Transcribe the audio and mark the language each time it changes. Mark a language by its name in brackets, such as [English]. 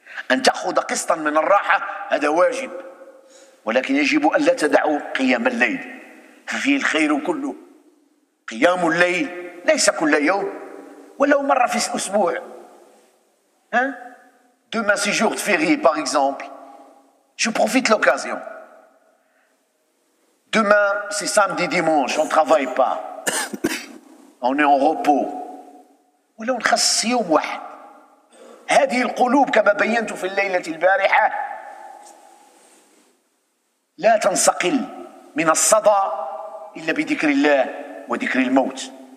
[Arabic] أن تأخذ قسطا من الراحة هذا واجب، ولكن يجب أن لا تدعوا قيام الليل، ففيه الخير كله. قيام الليل ليس كل يوم، ولو مرة في أسبوع، ها؟ [French] demain c'est jour de férié par exemple، je profite l'occasion. demain c'est samedi dimanche on travaille pas. On est en repos. [Arabic] ولو نخصص يوم واحد. هذه القلوب كما بينت في الليلة البارحة لا تنصقل من الصدى إلا بذكر الله وذكر الموت.